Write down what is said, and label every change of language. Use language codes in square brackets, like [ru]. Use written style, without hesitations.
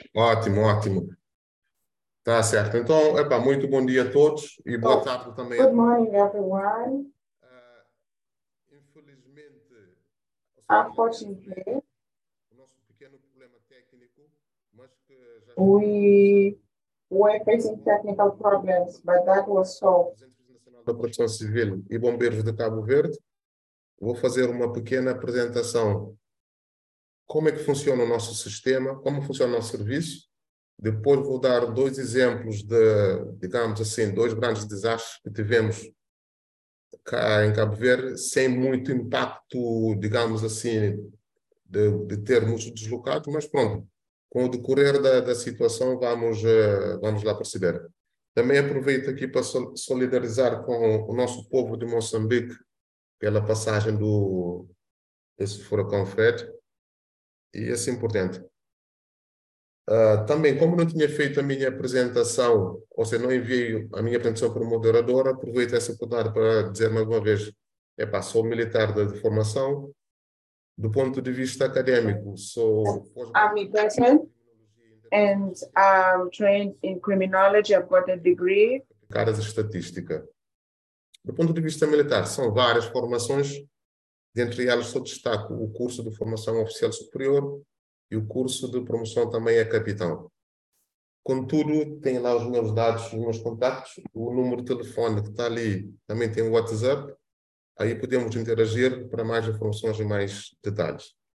[pt] Ótimo, ótimo. Tá certo. Então, epa, muito bom dia a todos e boa tarde também. [en] Good morning, everyone. [pt] Infelizmente, [en] unfortunately, [pt] o nosso pequeno problema técnico, mas que já... [en] We were facing technical problems, but that was solved. [pt] Presidente Nacional da Proteção Civil e Bombeiros de Cabo Verde, vou fazer uma pequena apresentação. Como é que funciona o nosso sistema, como funciona o nosso serviço. Depois vou dar dois exemplos de, digamos assim, dois grandes desastres que tivemos cá em Cabo Verde, sem muito impacto, digamos assim, de termos deslocados, mas pronto, com o decorrer da situação vamos lá perceber. Também aproveito aqui para solidarizar com o nosso povo de Moçambique pela passagem desse furacão Fred, e isso é importante. Também, como não tinha feito a minha apresentação, ou seja, não enviei a minha apresentação para o moderador, aproveito essa oportunidade para dizer mais uma vez, sou militar de formação, do ponto de vista académico, sou... [en] Army person, and I'm trained in criminology, I've got a degree. [pt] Caras de estatística. Do ponto de vista militar, são várias formações, dentre elas só destaco o curso de formação oficial superior, e o curso de promoção também é capitão. Contudo, tem lá os meus dados, os meus contactos, o número de telefone que está ali, também tem o WhatsApp, aí podemos interagir para mais informações e mais detalhes.